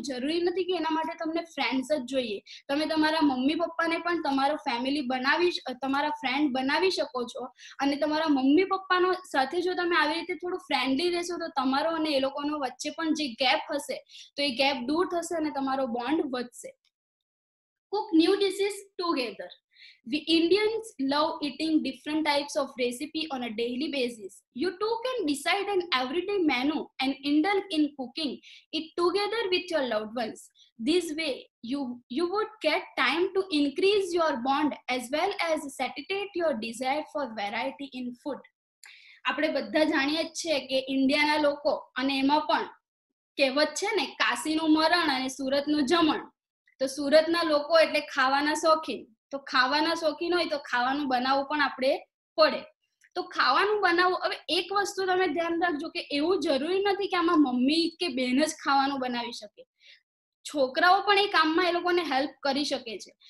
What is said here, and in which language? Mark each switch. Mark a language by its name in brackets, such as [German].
[Gujarati] એવું જરૂરી નથી કે એના માટે તમને ફ્રેન્ડ્સ જ જોઈએ, તમે તમારા મમ્મી પપ્પાને પણ તમારો ફેમિલી બનાવી, તમારા ફ્રેન્ડ બનાવી શકો છો. અને તમારા મમ્મી પપ્પાનો સાથે જો તમે આવી રીતે થોડું ફ્રેન્ડલી રહેશો તો તમારો અને એ લોકોનો વચ્ચે પણ જે ગેપ હશે તો એ ગેપ દૂર થશે અને તમારો બોન્ડ વધશે. [English] Cook new dishes together. The Indians love eating different types of recipe on a daily basis. You too can decide an everyday menu and indulge in cooking it together with your loved ones. This way, you would get time to increase your bond as well as satiate your desire for variety in food. [Gujarati] આપણે બધા જાણીએ છીએ કે ઇન્ડિયાના લોકો અને એમાં પણ કહેવત છે ને, કાશીનું મરણ અને સુરતનું જમણ. તો સુરતના લોકો એટલે ખાવાના શોખીન, તો ખાવાના શોખીન હોય તો ખાવાનું બનાવવું પણ આપણે પડે. તો ખાવાનું બનાવવું, હવે એક વસ્તુ તમે ધ્યાન રાખજો કે એવું જરૂરી નથી કે આમાં મમ્મી કે બહેન જ ખાવાનું બનાવી શકે, છોકરાઓ પણ એ કામમાં એ લોકોને હેલ્પ કરી શકે છે.